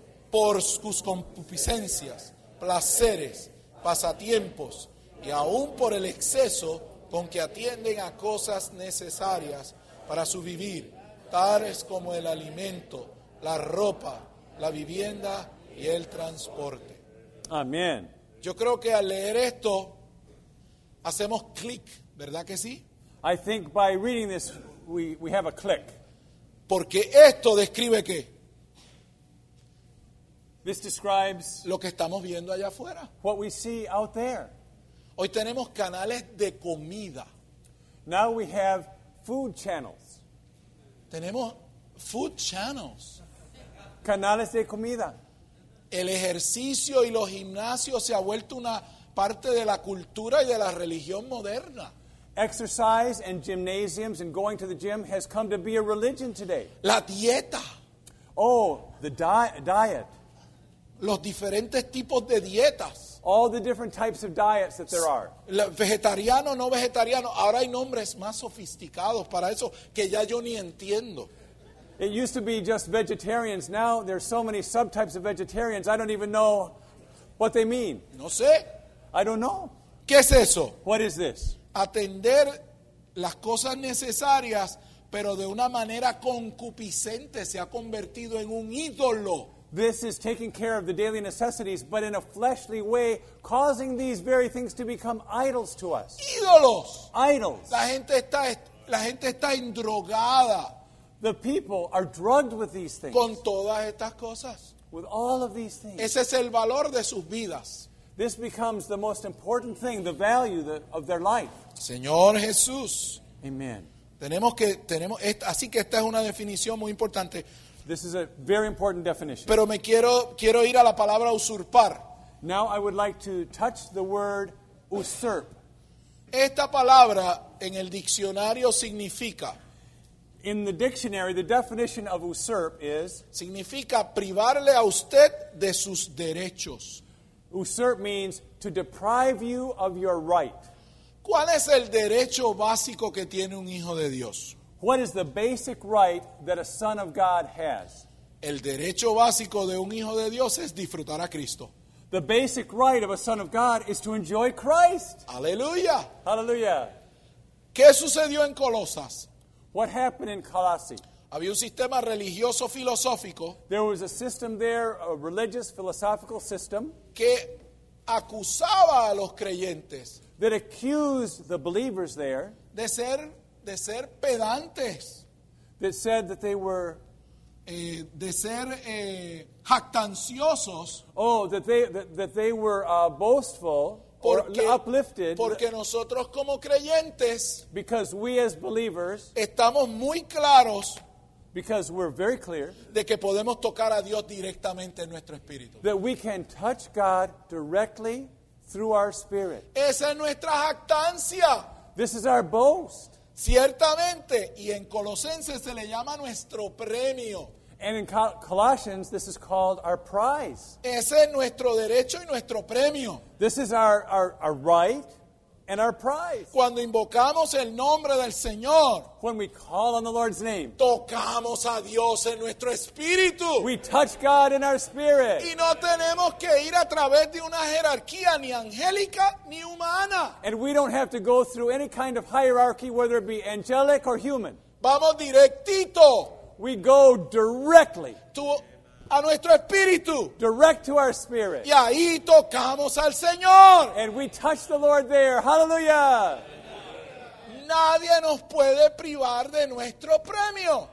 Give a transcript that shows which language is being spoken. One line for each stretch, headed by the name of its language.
Spanish: Por sus concupiscencias, placeres, pasatiempos y aún por el exceso con que atienden a cosas necesarias para su vivir, tales como el alimento, la ropa, la vivienda y el transporte. Amén. Yo creo que al leer esto hacemos clic, ¿verdad que sí?
English: I think by reading this we have a click.
Spanish: Porque esto describe qué?
English: This describes
Spanish: lo que estamos viendo allá afuera.
English: What we see out there.
Spanish: Hoy tenemos canales de comida.
English: Now we have food channels.
Spanish: Tenemos
English: food channels.
Spanish: Canales de comida. El ejercicio y los gimnasios se ha vuelto una parte de la cultura y de la religión moderna.
English: Exercise and gymnasiums and going to the gym has come to be a religion today.
Spanish: La dieta.
English: Oh, the diet.
Spanish: Los diferentes tipos de dietas.
English: All the different types of diets that there are.
Spanish: Vegetariano, no vegetariano. Ahora hay nombres más sofisticados para eso que ya yo ni entiendo.
English: It used to be just vegetarians. Now there's so many subtypes of vegetarians. I don't even know what they mean.
Spanish: No sé.
English: I don't know.
Spanish: ¿Qué es eso?
English: What is this?
Spanish: Atender las cosas necesarias, pero de una manera concupiscente se ha convertido en un ídolo.
English: This is taking care of the daily necessities, but in a fleshly way, causing these very things to become idols to us.
Spanish: Ídolos.
English: Idols.
Spanish: La gente está endrogada.
English: The people are drugged with these things.
Spanish: Con todas estas cosas.
English: With all of these things.
Spanish: Ese es el valor de sus vidas.
English: This becomes the most important thing, the value of their life.
Spanish: Señor Jesús.
English: Amen.
Spanish: Así que esta es una definición muy importante.
English: This is a very important definition.
Spanish: Pero quiero ir a la palabra usurpar.
English: Now I would like to touch the word usurp.
Spanish: Esta palabra en el diccionario significa...
English: In the dictionary, the definition of usurp is...
Spanish: Significa privarle a usted de sus derechos.
English: Usurp means to deprive you of your right.
Spanish: ¿Cuál es el derecho básico que tiene un hijo de Dios?
English: What is the basic right that a son of God has?
Spanish: El derecho básico de un hijo de Dios es disfrutar a Cristo.
English: The basic right of a son of God is to enjoy Christ.
Spanish: ¡Aleluya! ¡Aleluya! ¿Qué sucedió en Colosas?
English: What happened in Colossae?
Spanish: Había un sistema religioso filosófico.
English: There was a system there, a religious philosophical system.
Spanish: Que acusaba a los creyentes.
English: That accused the believers there.
Spanish: De ser pedantes.
English: That said that they were.
Spanish: De ser jactanciosos.
English: Oh, that they were boastful.
Spanish: Porque,
English: or uplifted,
Spanish: porque nosotros como creyentes,
English: because we as believers,
Spanish: estamos muy claros,
English: because we're very clear,
Spanish: de que podemos tocar a Dios directamente en nuestro espíritu,
English: that we can touch God directly through our spirit.
Spanish: Esa es nuestra jactancia.
English: This is our boast.
Spanish: Ciertamente, y en Colosenses se le llama nuestro premio.
English: And in Colossians, this is called our prize.
Spanish: Ese es nuestro derecho y nuestro premio.
English: This is our right and our prize.
Spanish: Cuando invocamos el nombre del Señor,
English: when we call on the Lord's name,
Spanish: tocamos a Dios en nuestro espíritu.
English: We touch God in our spirit.
Spanish: Y no tenemos que ir a través de una jerarquía ni angélica ni humana.
English: And we don't have to go through any kind of hierarchy, whether it be angelic or human.
Spanish: Vamos directito.
English: We go directly
Spanish: to a nuestro espíritu,
English: direct to our spirit.
Spanish: Y ahí tocamos al Señor.
English: And we touch the Lord there. Hallelujah.
Spanish: Nadie nos puede privar de nuestro premio.